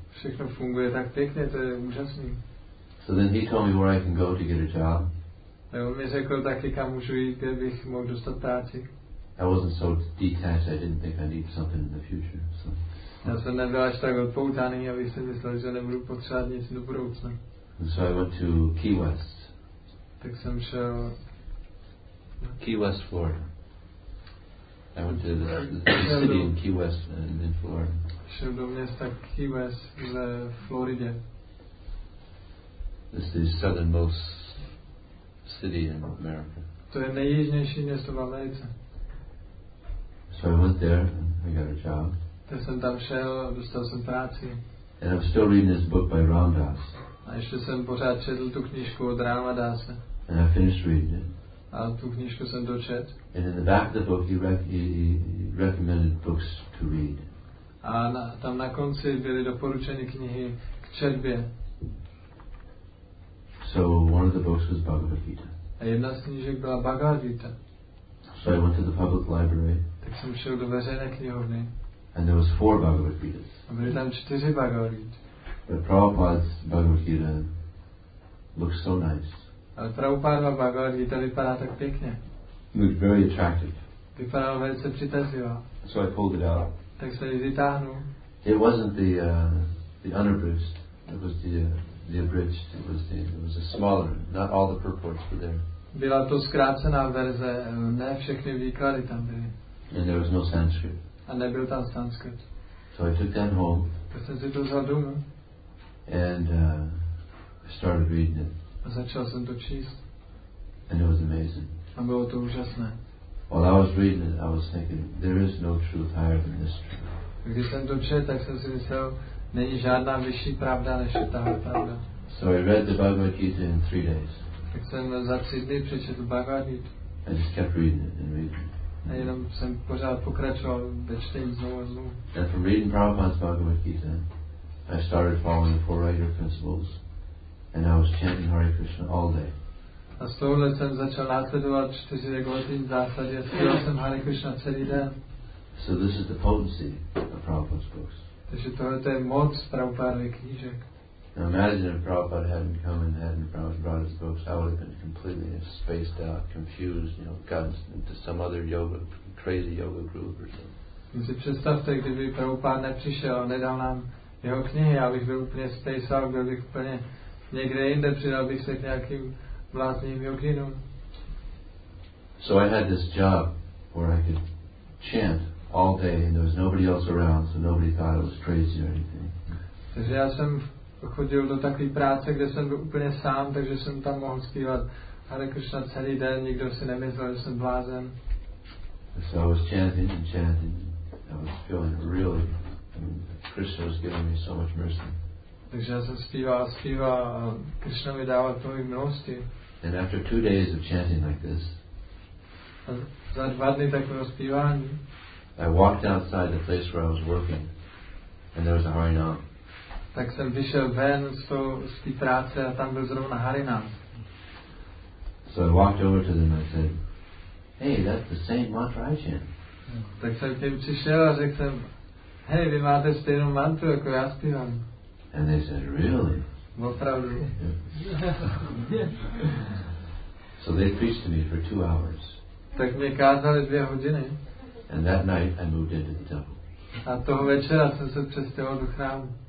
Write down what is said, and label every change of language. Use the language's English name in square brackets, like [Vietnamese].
[Czech] Všechno funguje tak pěkně, to je úžasný. [English] So then he told me where I can go to get a job. [Czech] Tak on mi řekl taky, kam můžu jít, kde bych mohl dostat práci. [English] I wasn't so detached, I didn't think I need something in the future. So. [Czech] Já jsem nebyl až tak odpoutaný, abych si myslel, že nebudu potřebovat nic do budoucna. [English] And so I went to Key West. [Czech] Tak jsem šel... [English] Key West, Florida. I went to the city in Key West and in Florida. [Czech] Šel do města Key West v Floridě. [English] This is the southernmost city in America. [Czech] To je nejjižnější město v Americe. [English] So I went there and I got a job. [Czech] Tak jsem tam šel a dostal jsem práci. [English] And I'm still reading this book by Ram Dass. [Czech] A ještě jsem pořád četl tu knížku od Rama Dase. [English] And I finished reading it. [Czech] A tu knížku jsem dočet. [English] And in the back of the book he recommended books to read. [Czech] A tam na konci byly doporučeny knihy k četbě. [English] So one of the books was Bhagavad Gita. [Czech] A jedna z knížek byla Bhagavad Gita. [English] So I went to the public library. [Czech] Tak jsem šel do veřejné knihovny. [English] And there was 4 Bhagavad Gitas. [Czech] A byly tam 4 Bhagavad Gita. [English] But Prabhupada's Bhagavad Gita looks so nice. [Czech] Ale Prabhupada Bhagavad Gita vypadá tak pěkně. [English] It was very attractive. [Czech] Vypadalo velice přitazivo. [English] So I pulled it out. [Czech] Tak se ji vytáhnu. [English] It wasn't the unabridged. It was the abridged. It was a smaller. Not all the purports were there. [Czech] Byla to zkrácená verze. Ne všechny výklady tam byly. [English] And there was no Sanskrit. [Czech] A nebyl tam Sanskrit. [English] So I took that home. [Czech] Tak jsem si to vzal domů. [English] And I started reading it. [Czech] A začal jsem to číst. [English] And it was amazing. [Czech] A bylo to úžasné. [English] While I was reading it, I was thinking, there is no truth higher than this truth. [Czech] Když jsem to četl, tak jsem si myslel, není žádná vyšší pravda, než je tahle pravda. [English] So I read the Bhagavad Gita in 3 days. [Czech] Tak jsem za 3 dny přečetl Bhagavad [English] Gita. I just kept reading it and reading. [Czech] A jenom jsem pořád pokračoval ve čtení znovu a znovu. [English] And from reading Prabhupada's Bhagavad Gita, I started following the four regular principles, and I was chanting Hare Krishna all day. [Czech] A z tohohle jsem začal následovat 4 hodin zásady a zpíval jsem Hare Krishna celý den. [English] So this is the potency of Prabhupada's books. [Czech] Takže tohle je moc Prabhupada knížek. [English] Now imagine if Prabhupada hadn't come and hadn't brought his books, I would have been completely spaced out, confused, you know, gotten into some other yoga, crazy yoga group or something. [Czech] Si představte, kdyby Prabhupada nepřišel, nedal nám jeho knihy, já bych byl úplně [English] spaced out, [Czech] byl bych úplně někde jinde, přidal bych se k nějakým blázním yoginům. [English] So I had this job where I could chant all day and there was nobody else around, so nobody thought I was crazy or anything. [Czech] Takže já jsem chodil do takové práce, kde jsem byl úplně sám, takže jsem tam mohl zpívat Hare Krishna celý den, nikdo si nemyslel, že jsem blázen. [English] So I was chanting and chanting. I was feeling really, I mean, Krishna was giving me so much mercy. [Czech] Takže já jsem zpíval a zpíval a Krishna mi dával tolik milosti. [English] And after 2 days of chanting like this, [Czech] a za 2 dny takového zpívání, [English] I walked outside the place where I was working and there was a Harinam. [Czech] Tak jsem vyšel ven z té práce a tam byl zrovna Harinam. [English] So I walked over to them and I said, hey, that's the same mantra I chant. [Czech] Tak jsem k ním přišel a řekl jsem, hey, vy máte stejnou mantru, jako já zpívám. [English] And they said, really? [Czech] Opravdu. [English] So they preached to me for 2 hours. [Czech] Tak mě kázali 2 hodiny. [English] And that night I moved into the temple. [Czech] A toho večera jsem se přestěhoval do chrámu.